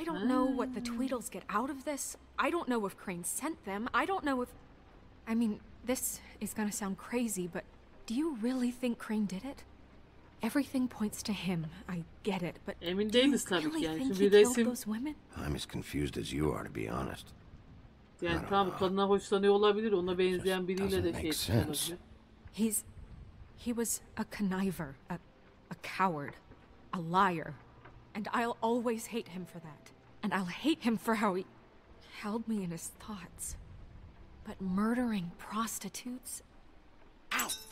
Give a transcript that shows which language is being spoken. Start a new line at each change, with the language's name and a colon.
English: I don't know what the Tweedles get out of this. I don't know if Crane sent them. I don't know if... I mean, this is gonna sound crazy, but do you really think Crane did it? Everything points to him. I get it, but
Turkish: Emin değiliz tabii ki. Yani. Şimdi resim.
English: I'm as confused as you are, to be honest.
Turkish: Yani tam kadına hoşlanıyor olabilir, ona benzeyen biriyle de şey olabilir.
English: He was a conniver, a coward, a liar, and I'll always hate him for that. And I'll hate him for how he held me in his thoughts. But murdering prostitutes. Ow!